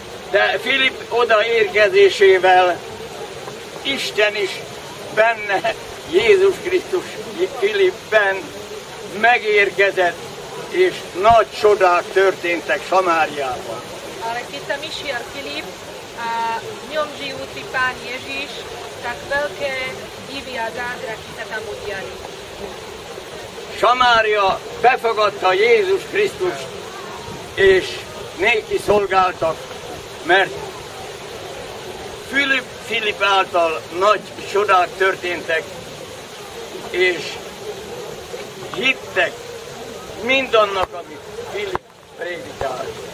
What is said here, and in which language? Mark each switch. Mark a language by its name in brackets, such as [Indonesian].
[Hungarian] De Filip oda érkezésével Isten is benne, Jézus Krisztus Filipben megérkezett, és nagy csodák történtek Samáriában. [Slovak] Ale keď tam išiel Filip a v ňom žijúci Pán Ježiš, tak veľké divy a zázraky sa tam udiali. [Hungarian] Samária befogadta Jézus Krisztus, és néki szolgáltak, mert Filip által nagy csodák történtek, és hittek mindannak, amit Filip prédikált.